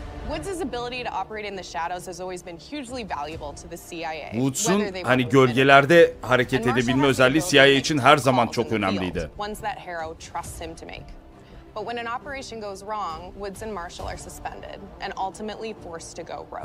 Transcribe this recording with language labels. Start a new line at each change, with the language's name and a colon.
English: Woods's ability to operate in the shadows has always been hugely valuable to the CIA.
Turkish: Woods'un hani gölgelerde hareket edebilme özelliği CIA için her zaman çok önemliydi.
English: Ones that Harrow trusts him to make. But when an operation goes wrong, Woods and Marshall are suspended and ultimately forced to go rogue.